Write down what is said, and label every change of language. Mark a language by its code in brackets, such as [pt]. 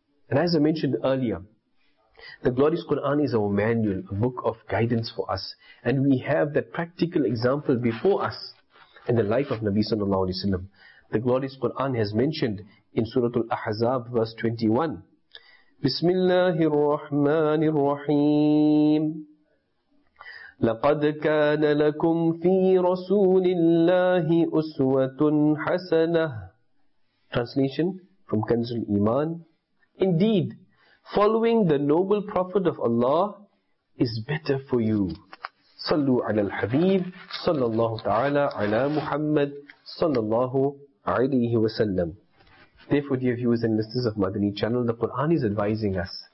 [en] And as I mentioned earlier, the glorious Quran is our manual, a book of guidance for us. And we have that practical example before us in the life of Nabi sallallahu alaihi wasallam. The glorious Quran has mentioned in Surah Al-Ahzab verse 21, [ar] Bismillahir Rahmanir Rahim. لقد كان لكم في رسول الله أسوة حسنة. [en] Translation from Kanzul Iman. Indeed, following the noble prophet of Allah is better for you. [ar] صلوا على الحبيب صلى الله تعالى على محمد صلى الله عليه وسلم. [en] Therefore, dear viewers and listeners of Madani Channel, the Quran is advising us.